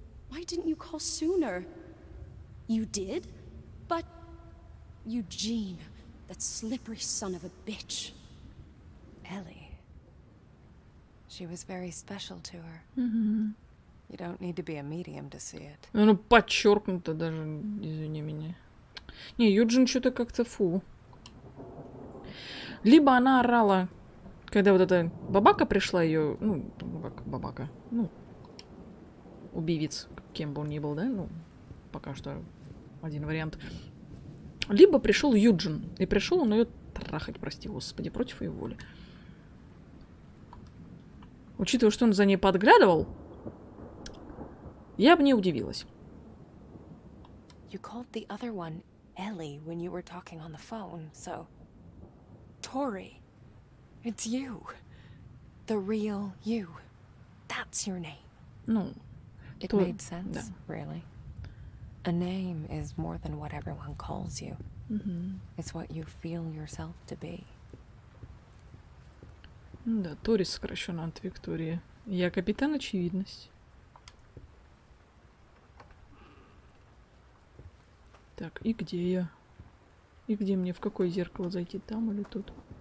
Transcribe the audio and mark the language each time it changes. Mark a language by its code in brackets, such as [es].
[en] Why didn't you call sooner? You did? But... Eugene, that slippery son of a bitch. Ellie. She was very special to her. Mm-hmm. You don't need to be a medium to see it. [ru] Ну, подчеркнуто даже, извини меня. Не, Юджин что-то как-то фу. Либо она орала, когда вот эта бабака пришла ее, ну, как бабака, ну, убивец, кем бы он ни был, да, ну, пока что один вариант. Либо пришел Юджин, и пришел он ее трахать, прости господи, против ее воли. Учитывая, что он за ней подглядывал, я бы не удивилась. [en] You called the other one Ellie when you were talking on the phone, so... Tori, it's you. The real you. That's your name. [ru] Ну, [en] it то... made sense, да. Really. A name is more than what everyone calls you. Mm-hmm. It's what you feel yourself to be. [ru] Да, Тори сокращенно от Виктории. Я капитан очевидность. Так, и где я? И где мне? В какое зеркало зайти? Там или тут?